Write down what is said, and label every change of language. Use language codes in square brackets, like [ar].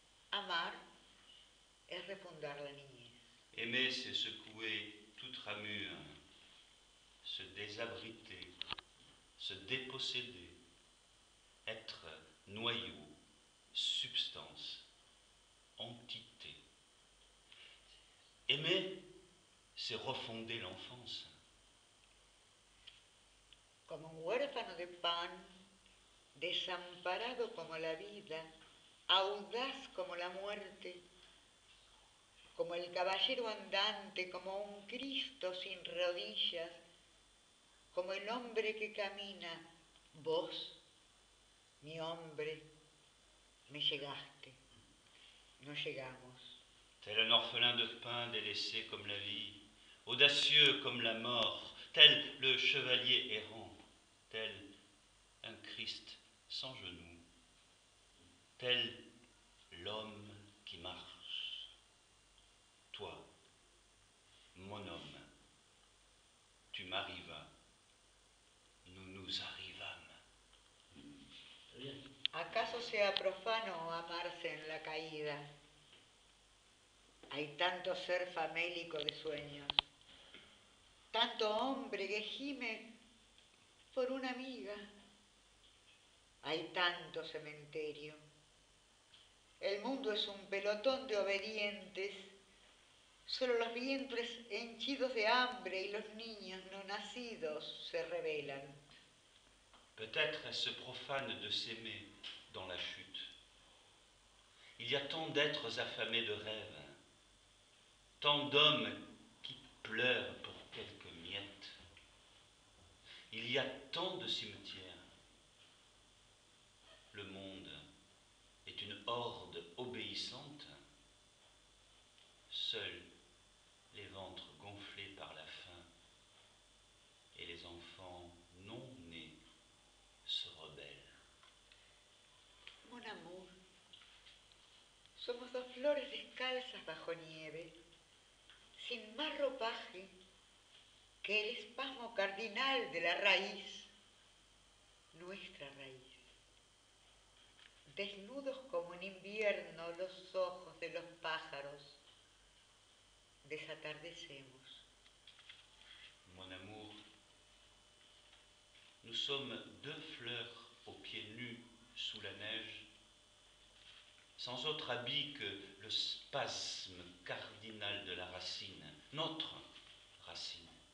[es] Amar es refundar la niñez. [fr] Aimer, c'est secouer toute ramure, se désabriter, se déposséder. Être noyau, substance, entité. Aimer, c'est refonder l'enfance. [es] Como un huérfano de pan, desamparado como la vida, audaz como la muerte, como el caballero andante, como un Cristo sin rodillas, como el hombre que camina, vos. Mi hombre, me llegaste, nous llegamos. [fr] Tel un orphelin de pain délaissé comme la vie, audacieux comme la mort, tel le chevalier errant, tel un Christ sans genoux, tel l'homme qui marche. Toi, mon homme. m'arriva. Nous nous arrivâmes. [es] ¿Acaso sea profano amarse en la caída? Hay tanto ser famélico de sueños, tanto hombre que gime por una amiga. Hay tanto cementerio. El mundo es un pelotón de obedientes. Solo los vientres henchidos de hambre y los niños no nacidos se rebelan. [fr] Peut-être est-ce profane de s'aimer dans la chute. Il y a tant d'êtres affamés de rêves, tant d'hommes qui pleurent pour quelques miettes. Il y a tant de cimetières. Le monde est une horde obéissante. Seuls les ventres gonflés par la faim et les enfants non nés se rebellent. Mon amour, [es] somos dos flores descalzas bajo nieve, sin más ropaje que el espasmo cardinal de la raíz, nuestra raíz. Desnudos como en invierno los ojos de los pájaros, desatardecemos. [fr] Mon amour, nous sommes deux fleurs aux pieds nus sous la neige, sans autre habit que le spasme cardinal de la racine, notre racine.